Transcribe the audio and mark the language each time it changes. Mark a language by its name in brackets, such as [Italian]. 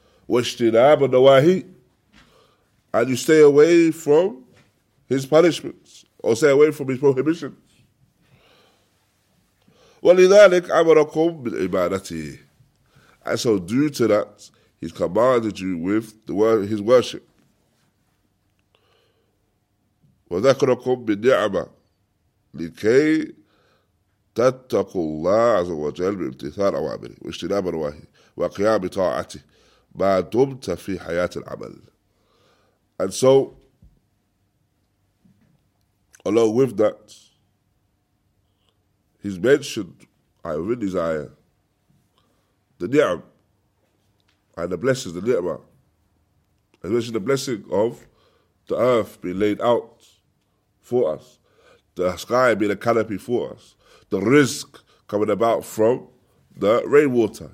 [Arabic] Wajtinab an-nawahi. [English] And you stay away from His punishments or stay away from His prohibitions. [Arabic] ولذلك أمركم بالعبادة. [English] And so due to that, He's commanded you with the word, His worship. [Arabic] وذكركم بالنعمة لكي تتقوا الله عز وجل بامتثال أوامره واجتناب نواهيه وقيام طاعته ما دمت في حياة العمل. [English] And so, along with that, He's mentioned, I have read these ayah, the ni'am, and the blessings, the ni'mah. Especially the blessing of the earth being laid out for us, the sky being a canopy for us, the rizq coming about from the rainwater.